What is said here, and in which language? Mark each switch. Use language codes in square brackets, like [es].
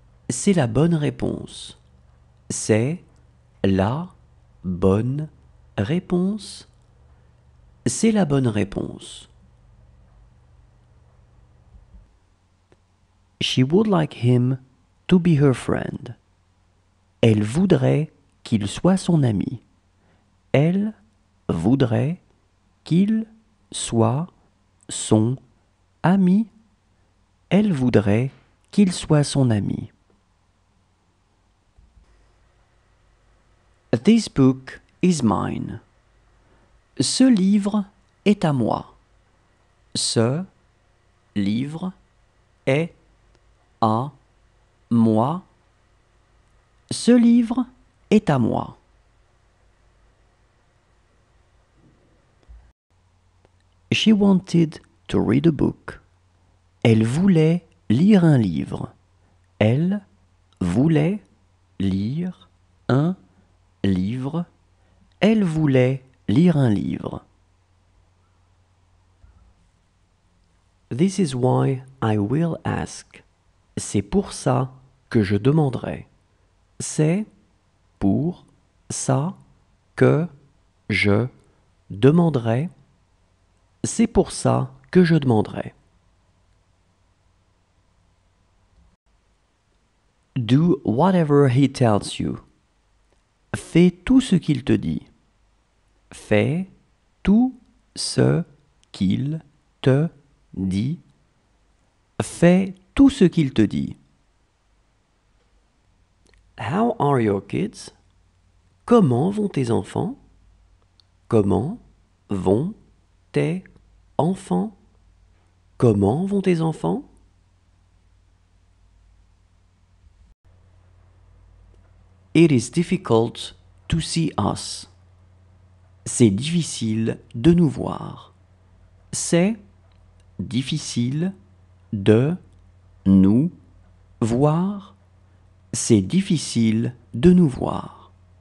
[fr] C'est la bonne réponse. C'est la bonne réponse. C'est la bonne réponse. [en] She would like him to be her friend. [fr] Elle voudrait qu'il soit son ami. Elle voudrait qu'il soit son ami. Elle voudrait qu'il soit son ami. [en] This book is mine. [fr] Ce livre est à moi. Ce livre est à moi. Ce livre est à moi. [en] She wanted to read a book. [fr] Elle voulait lire un livre. Elle voulait lire un livre. Elle voulait lire un livre. [en] This is why I will ask. [fr] C'est pour ça que je demanderai. C'est pour ça que je demanderai. C'est pour ça que je demanderai. [en] Do whatever he tells you. [fr] Fais tout ce qu'il te dit. Fais tout ce qu'il te dit. Fais tout ce qu'il te dit. [en] How are your kids? [fr] Comment vont tes enfants? Comment vont tes enfants? Comment vont tes enfants? [en] It is difficult to see us. [fr] C'est difficile de nous voir. C'est difficile de nous voir. C'est difficile de nous voir.